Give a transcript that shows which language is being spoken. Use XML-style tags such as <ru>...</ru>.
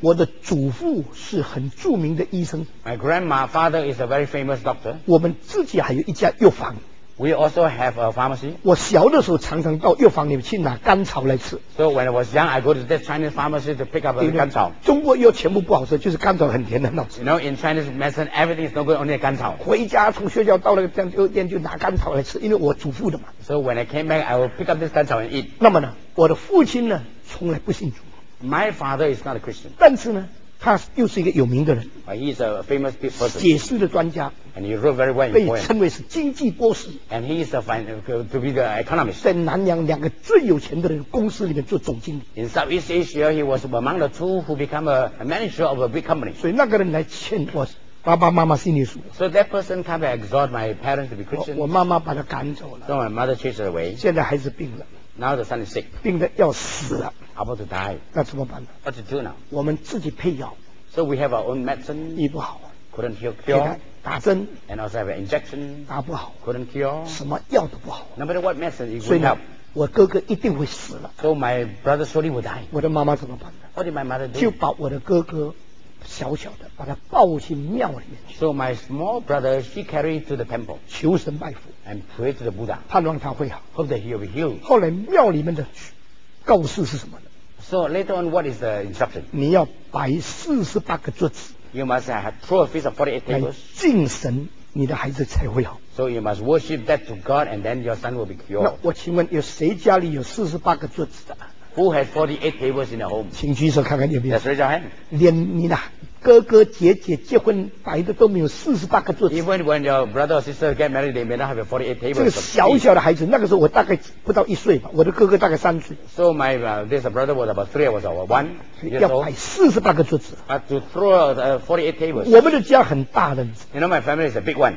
<zh>我的祖父是很著名的医生。</zh> <en>My grandfather is a very famous doctor.</en> <zh>我们自己还有一家药房。</zh> <en>We also have a pharmacy.</en> <zh>我小的时候常常到药房里面去拿甘草来吃。</zh> <en>So when I was young, I go to that Chinese pharmacy to pick up the 甘草。</en> <zh>中国药全部不好吃，就是甘草很甜的，很好吃。</zh> <en>You know, in Chinese medicine, everything is no good, only 甘草。</en> <zh>回家从学校到那个药店就拿甘草来吃，因为我祖父的嘛。</zh> <en>So when I came back, I will pick up this 甘草 and eat.</en> <zh>那么呢，我的父亲呢，从来不信主。</zh> <en>My father is not a Christian.</en> <zh>但是呢。他又是一个有名的人</zh> <en>he is a famous person.</en> <zh>解释的专家</zh> <en>And he wrote very well in</en> <zh>poem. 被称为是经济博士</zh> <en>And he is a financial, to be the economist.</en> <zh>在南洋两个最有钱的人公司里面做总经理</zh> <en>In Southeast Asia, he was among the two who became a manager of a big company.</en> <zh>所以那个人来劝我爸爸妈妈信耶稣</zh> <en>So that person came to exhort my parents to be Christians.</en> <zh>我妈妈把他赶走了</zh> <en>So my mother chased away.</en> <zh>现在孩子病了</zh> <en>Now the son is sick.</en> <zh>病得要死了。</zh> <en>About to die.</en> <zh>那怎么办呢</zh> <en>？What to do now?</en> <zh>我们自己配药。</zh> <en>So we have our own medicine.</en> <zh>医不好。</zh> <en>Couldn't heal. Cure.</en> <zh>打针。</zh> <en>And also have an injection.</en> <zh>打不好。</zh> <en>Couldn't cure.</en> <zh>什么药都不好。</zh> <en>No matter what medicine, it won't help.</en> <zh>我哥哥一定会死了。</zh> <en>So my brother surely will die.</en> <zh>我的妈妈怎么办</zh> <en>？What did my mother do?</en> <zh>就把我的哥哥小小的把他抱去庙里面去。</zh> <en>So my small brother she carried to the temple.</en> <zh>求神拜佛。</zh> <en>And pray to the Buddha.</en> <zh>盼望他会好。</zh> <en>Hope that he will be healed.</en> <zh>后来庙里面的告示是什么呢</zh> <en>？So later on, what is the instruction?</en> <zh>你要摆48个桌子。</zh> <en>You must have throw a feast of 48 tables.</en> <zh>来敬神，你的孩子才会好。</zh> <en>So you must worship that to God, and then your son will be cured.</en> <zh>那我请问，有谁家里有48个桌子的</zh> <en>？Who has 48 tables in the home?</en> <zh>请举手看看有没有。</zh> <en>Let's raise your hand.</en> <zh>连你呢？哥哥姐姐结婚摆的都没有48个桌子。</zh> <en>Even when your brother or sister get married, they may not have 48 tables.</en> <zh>这个小小的孩子，那个时候我大概不到一岁吧，我的哥哥大概三岁。</zh> <en>So my this brother was about 3 years old.</en> <zh>要摆48个桌子。</zh> <en>But to throw 48 tables.</en> <zh>我们的家很大的。</zh> <en>You know my family is a big one.</en>